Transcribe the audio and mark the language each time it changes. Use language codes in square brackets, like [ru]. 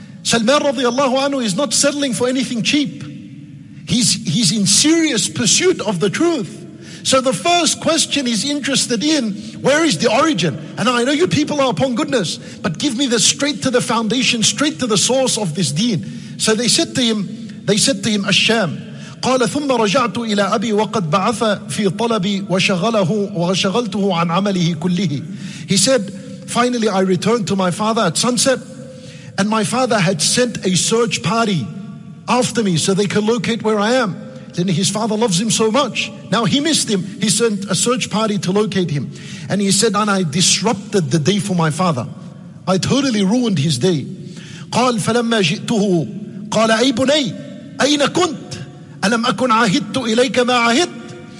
[en] Salman radiallahu anhu is not settling for anything cheap. He's in serious pursuit of the truth. So the first question he's interested in, where is the origin? And I know you people are upon goodness, but give me the straight to the foundation, straight to the source of this deen. So they said to him, Asham. [ar] قال ثم رجعت إلى أبي وقد بعث في طلبي وشغله وشغلته عن عمله كله. [en] He said, finally I returned to my father at sunset, and my father had sent a search party after me so they can locate where I am. Then his father loves him so much. Now he missed him. He sent a search party to locate him. And he said, and I disrupted the day for my father. I totally ruined his day. [ar] قال فلما جئته قال أي بني أين كنت ألم أكن عهدت إليك ما عهدت.